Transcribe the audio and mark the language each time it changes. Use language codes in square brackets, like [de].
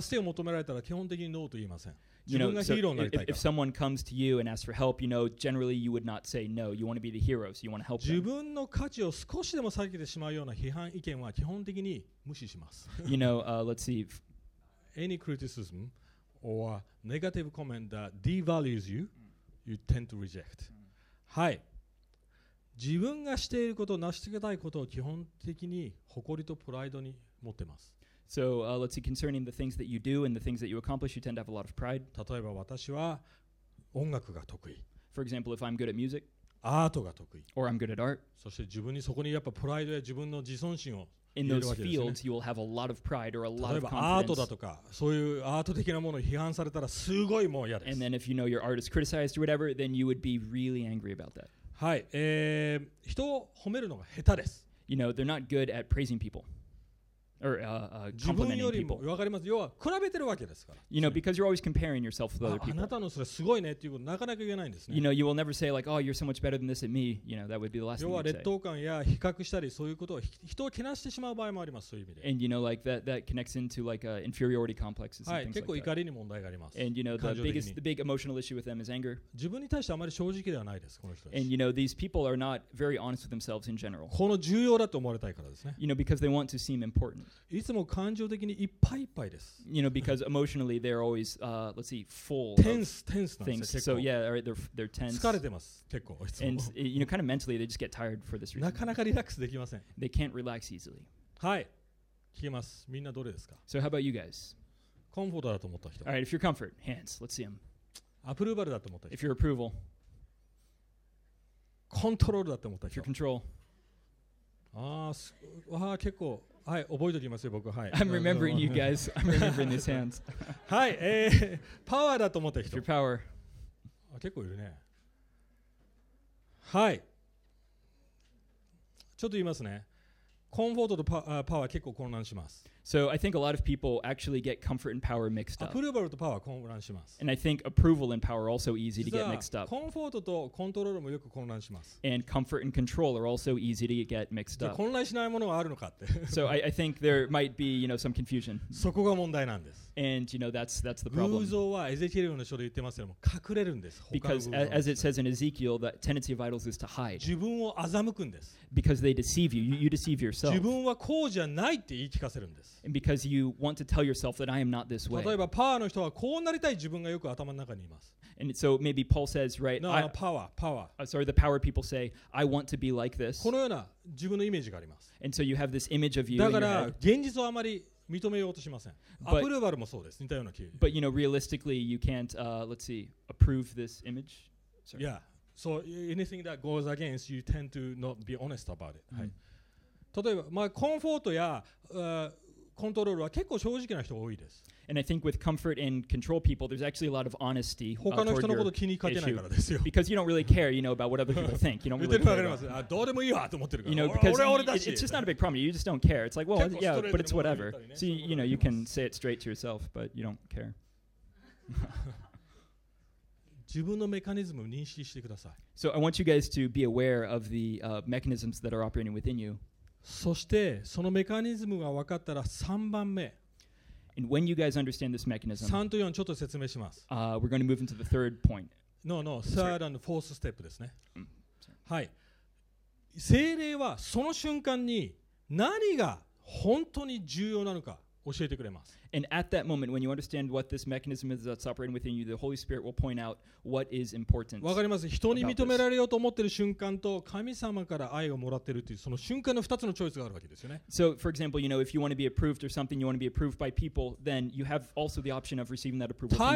[ja] 助けを求められたら基本的にノーと言いません。 [en] You know, so if someone comes to you and asks for help, you know, generally you would not say no. You want to be the hero, so you want to help them. [ja] 自分の価値を少しでも下げてしまうような批判意見は基本的に無視します。 [en] You know, let's see. Any criticism or negative comment that devalues you, you tend to reject. [ja] はい。自分がしていること、成し遂げたいことを基本的に誇りとプライドに持ってます。 [en] So let's see, concerning the things that you do and the things that you accomplish, you tend to have a lot of pride. [ja] 例えば私は音楽が得意。 [en] For example, if I'm good at music. [ja] アートが得意。 [en] Or I'm good at art. [ja] そして自分にそこにやっぱプライドや自分の自尊心を入れるわけですね。 [en] In those fields, you will have a lot of pride or a lot of confidence. [ja] 例えばアートだとか、そういうアート的なものを批判されたらすごいもう嫌です。 [en] And then if you know your art is criticized or whatever, then you would be really angry about that. [ja] はい、人を褒めるのが下手です。 [en] You know, they're not good at praising people. Or, complimenting [ja] 自分よりも分かります。要は比べてるわけですから。 [en] You know, because you're always comparing yourself with other people. [ja] あなたのそれすごいねっていうことなかなか言えないんですね。 [en] You know, you will never say like, oh, you're so much better than this at me. You know, that would be the last thing you'd say. [ja] 要は劣等感や比較したりそういうことを人をけなしてしまう場合もあります。そういう意味で。 [en] And you know, like that connects into like inferiority complexes and things like that. [ja] はい、結構怒りに問題があります。 [en] And you know, the big emotional issue with them is anger. [ja] 自分に対してあまり正直ではないです、この人たち。 [en] And you know, these people are not very honest with themselves in general. [ja] この重要だと思われたいからですね。 [en] You know, because they want to seem important. [ja] いつも感情的にいっぱいいっぱいです。 [en] You know, because emotionally they're always, let's see, full tense, of things. Tense, so yeah, they're tense. [ja] 疲れてます、結構。 [en] And you know, kind of mentally they just get tired for this reason. [ja] なかなかリラックスできません。 [en] They can't relax easily. [ja] はい、聞きます。みんなどれですか。 [en] So how about you guys? [ja] コンフォートだと思った人。 [en] All right, if you're comfort, hands, let's see them. [ja] アプローバルだと思った人。 [en] If you're approval. [ja] コントロールだと思った人。 [en] If you're control. [ja] わー、結構。はい、覚えておきますよ、僕、はい。 [en] I'm remembering you guys. I'm remembering these hands. [ja] はい、パワーだと思った人。 [en] Your power. [ja] 結構いるね。はい。ちょっと言いますね。 [en] So I think a lot of people actually get comfort and power mixed up. [ja] Approval とパワー混乱します。 [en] And I think approval and power are also easy to get mixed up. [ja] コンフォートとコントロールもよく混乱します。 [en] And comfort and control are also easy to get mixed up. [ja] 混乱しないものはあるのかって。 [en] So I think there might be, you know, some confusion. [ja] そこが問題なんです。 [en] And you know, that's the problem. [ja] 偶像はエゼキエルの書で言ってますけども隠れるんです。 [en] Because as it says in Ezekiel, the tendency of idols is to hide. [ja] 自分を欺くんです。 [en] Because they deceive you. You deceive yourself. [ja] 自分はこうじゃないって言い聞かせるんです。 [en] And because you want to tell yourself that I am not this way. [ja] 例えばパワーの人はこうなりたい自分がよく頭の中にいます。 [en] And so maybe Paul says, right? No, power. Sorry, the power people say, I want to be like this. [ja] このような自分のイメージがあります。 [en] And so you have this image of you. [ja] だから現実をあまり認めようとしません。アプローバルもそうです。似たような経緯。 [en] But you know, realistically, you can't, let's see, approve this image. Sorry. Yeah. So anything that goes against you tend to not be honest about it. Mm-hmm. [ja] 例えば、まあ、コンフォートや、コントロールは結構正直な人多いです。 [en] And I think with comfort and control people, there's actually a lot of honesty. [ja] 他の人のこと気にかけないからですよ。 [en] Because you don't really care, you know, about what other people think. You don't really care. [ja] どうでもいいわと思ってるから。 [en] You know, because it's just not a big problem. You just don't care. It's like, well, yeah, but it's whatever. So, you know, you can say it straight to yourself, but you don't care. [ja] 自分のメカニズムを認識してください。 [en] So I want you guys to be aware of the mechanisms that are operating within you. [ja] そしてそのメカニズムが分かったら3番目。 [en] And when you guys understand this mechanism, [ja] 3と4ちょっと説明します。 [en] We're going to move into the third point. No, third and fourth step [ja] ですね。はい。聖霊はその瞬間に何が本当に重要なのか。教えてくれます。 [en] And at that moment, when you understand what this mechanism is that's operating within you, the Holy Spirit will point out what is important. [ja] わかります。人に認められようと思ってる瞬間と神様から愛をもらってるっていうその瞬間の2つのチョイスがあるわけですよね。 [en] So, for example, you know, if you want to be approved or something, you want to be approved by people, then you have also the option of receiving that approval from God.